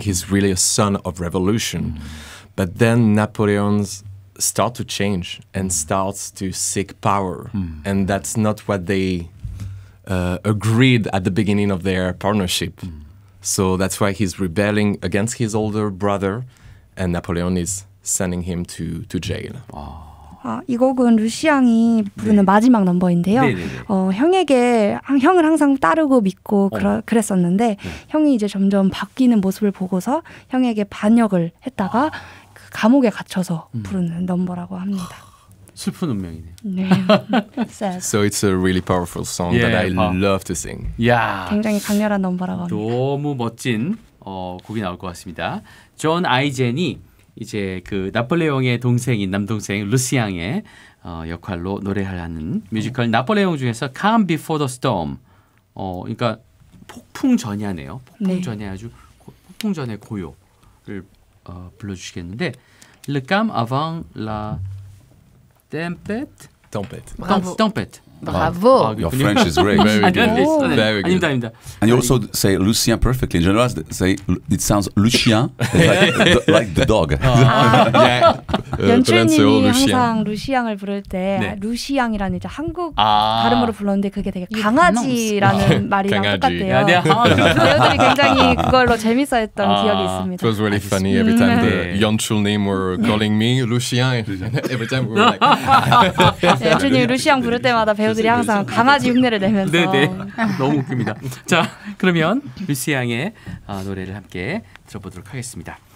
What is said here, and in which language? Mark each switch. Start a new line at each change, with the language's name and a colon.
English: He's really a son of revolution. Mm-hmm. But then Napoleon's start to change and starts to seek power. Mm. And that's not what they agreed at the beginning of their partnership. Mm. So that's why he's rebelling against his older brother and Napoleon is sending him to jail. Oh.
Korean: 아, 이 곡은 루시앙이 부르는 네. 마지막 넘버인데요. 네. 형에게 형을 항상 따르고 믿고 그랬었는데 네. 형이 이제 점점 바뀌는 모습을 보고서 형에게 반역을 했다가 감옥에 갇혀서 부르는 넘버라고 합니다. 슬픈 운명이네요. 네.
English: So it's a really powerful song yeah, that I love to sing. Yeah.
Korean: 굉장히 강렬한 넘버라고 합니다. 너무 멋진 곡이 나올 것 같습니다. 존 아이젠이 이제 그 나폴레옹의 동생인 남동생 루시앙의 역할로 노래하는 뮤지컬 나폴레옹 중에서 Come Before the Storm. 그러니까 폭풍전야네요. 폭풍전야 아주 폭풍전의 고요를 불러주시겠는데
French: Le calm avant la tempête? Tempête. Bravo. Tempête. Bravo.
English: Your French is great. Very good. Very good.
Korean: 아닙니다.
English: And you also say Lucien perfectly. In general, it sounds Lucien like the dog. yeah.
Korean: 연출님이 항상 루시앙을 부를 때 네. 루시앙이라는 이제 한국 아~ 발음으로 불렀는데 그게 되게 강아지라는 말이랑 강아지. 똑같대요. 네, 저희들이 굉장히 그걸로 재밌어했던 아~ 기억이 있습니다.
English: It was really funny every time the
Korean: 연출님
English: were calling me 루시앙. Every time we were like
Korean: 연출님 루시앙 부를 때마다 배우들이 항상 강아지 흉내를 내면서 네네. 너무 웃깁니다. 자 그러면 루시앙의 노래를 함께 들어보도록 하겠습니다.